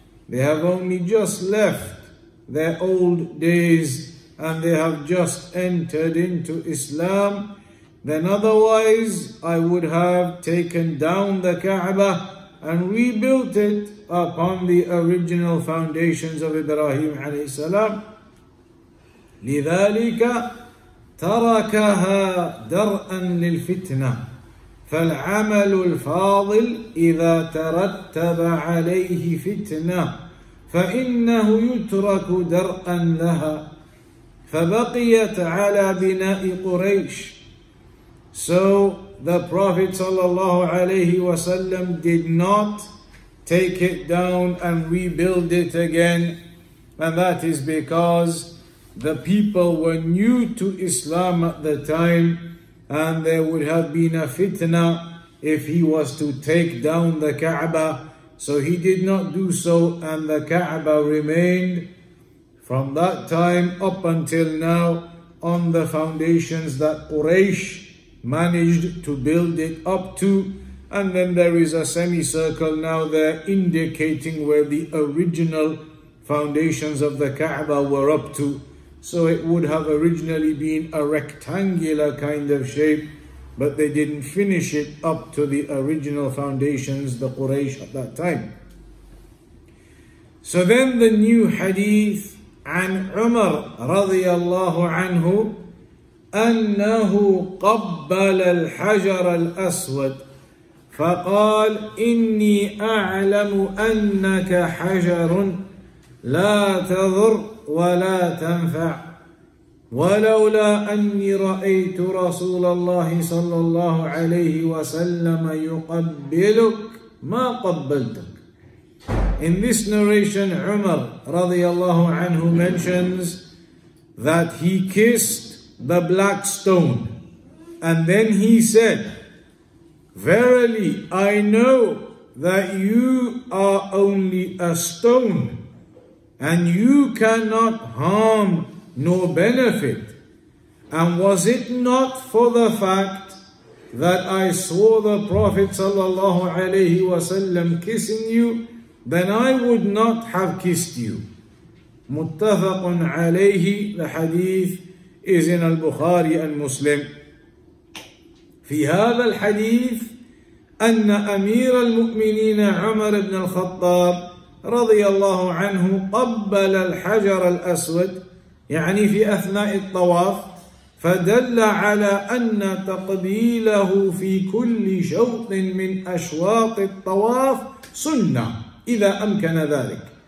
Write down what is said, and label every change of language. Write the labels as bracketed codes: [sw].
[en] They have only just left their old days and they have just entered into Islam. Then otherwise I would have taken down the Kaaba and rebuilt it upon the original foundations of Ibrahim alayhi salam. [ar] لذلك تركها درءا للفتنة فالعمل الفاضل إذا ترتب عليه فتنة فإنه يترك درءا لها فبقيت على بناء قريش. [en] So the Prophet sallallahu alayhi wasallam did not take it down and rebuild it again, and that is because the people were new to Islam at the time, and there would have been a fitna if he was to take down the Kaaba. So he did not do so, and the Kaaba remained. from that time up until now on the foundations that Quraysh managed to build it up to. And then there is a semicircle now there indicating where the original foundations of the Kaaba were up to. So it would have originally been a rectangular kind of shape, but they didn't finish it up to the original foundations, the Quraysh at that time. So then the new hadith [ar] عن عمر رضي الله عنه أنه قبل الحجر الأسود فقال إني أعلم أنك حجر لا تضر ولا تنفع ولولا أني رأيت رسول الله صلى الله عليه وسلم يقبلك ما قبلتك. [en] In this narration, Umar radiallahu anhu mentions that he kissed the black stone and then he said, verily I know that you are only a stone and you cannot harm nor benefit. And was it not for the fact that I saw the Prophet sallallahu alayhi wasallam kissing you, then I would not have kissed you. Muttafaqun alayhi, the hadith is in al-Bukhari and Muslim. [ar] Fi hadha al-hadith, anna amir al-mu'minin Umar ibn al-Khattab radiyallahu anhu qabbala al-hajar al-aswad, يعني في أثناء الطواف, فدل على أن تقبيله في كل شوط من أشواط الطواف سنة إذا أمكن ذلك.